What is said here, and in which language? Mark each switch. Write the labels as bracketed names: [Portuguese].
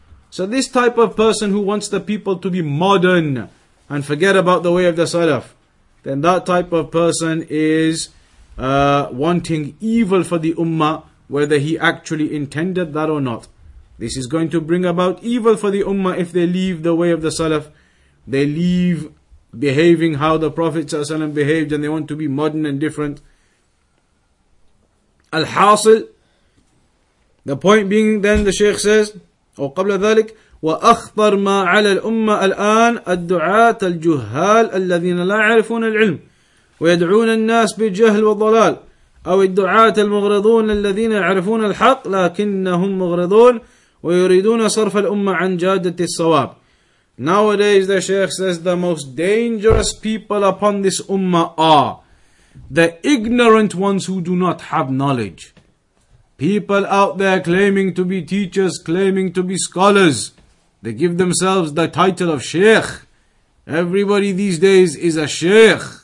[English] So this type of person who wants the people to be modern and forget about the way of the Salaf, then that type of person is wanting evil for the Ummah, whether he actually intended that or not. This is going to bring about evil for the Ummah if they leave the way of the Salaf. They leave behaving how the Prophet ﷺ behaved and they want to be modern and different. [Arabic] Al-Hasil. [English] The point being then, the Shaykh says, [Arabic] أو قبل ذلك, وأخطر ما على الأمة الآن الدعاة الجهال الذين لا يعرفون العلم ويدعون الناس بجهل وضلال أو الدعاة المغرضون الذين يعرفون الحق لكنهم مغرضون ويريدون صرف الأمة عن جادة الصواب. [English] Nowadays, the Shaykh says, the most dangerous people upon this ummah are the ignorant ones who do not have knowledge. People out there claiming to be teachers, claiming to be scholars. They give themselves the title of Shaykh. Everybody these days is a Shaykh.